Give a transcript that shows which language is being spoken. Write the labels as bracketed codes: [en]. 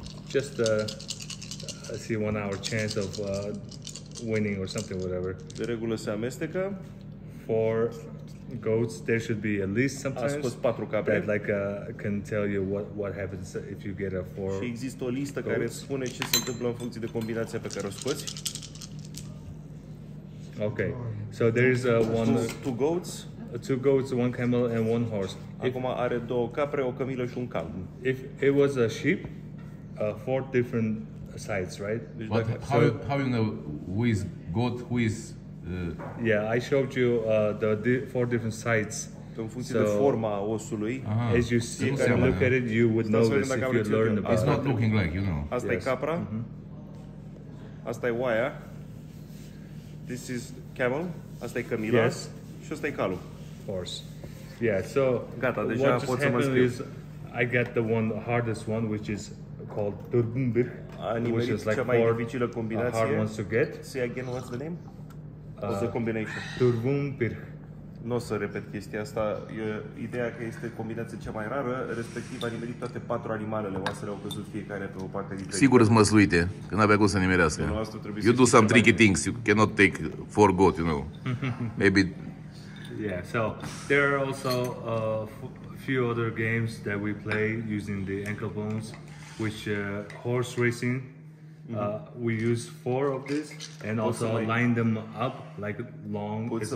[en] Just see 1 hour chance of winning or something, whatever. [ro] De regulă se amestecă. [en] Four goats, there should be at least sometimes. [ro] A spus patru capre. [en] That like can tell you what happens if you get a four. [ro] Și există o listă goats. Care spune ce se întâmplă în funcție de combinația pe care o scoți. [en] Okay, so there is one. Two goats. Two goats, one camel and one horse. [ro] Acum are două capre, o cămilă și un cal. [en] If it was a sheep. Four different sides, right? But so, how you know who is goat, who is... I showed you four different sides. [ro] În funcție de forma osului, [en] as you see, if you look at it, you would know this if you learn about it. It's not looking like, you know. [ro] Asta e capra. Mm-hmm. Asta e oaia. [en] This is camel. [ro] Asta e cămila. [en] Yes. [ro] Și asta e calul. [en] Horse. Yeah, so... [ro] Gata, deja pot să mă scriu. [en] What just happened is, I got the one, the hardest one, which is... called Turgumbir, which is like four hard ones to get. Say again, what's the name? What's the combination? Turgumbir. [ro] Nu o să repet chestia asta. Ideea că este combinația cea mai rară, respectiv a nimerit toate patru animalele. Oasele au căzut fiecare pe o parte diferită. Sigur sunt măsluite, că n-avea cum să nimerească. [en] You do some tricky things, you cannot take four goat, you know. Maybe... Yeah, so there are also a few other games that we play using the ankle bones. Which horse racing, we use four of this and also line them up like long,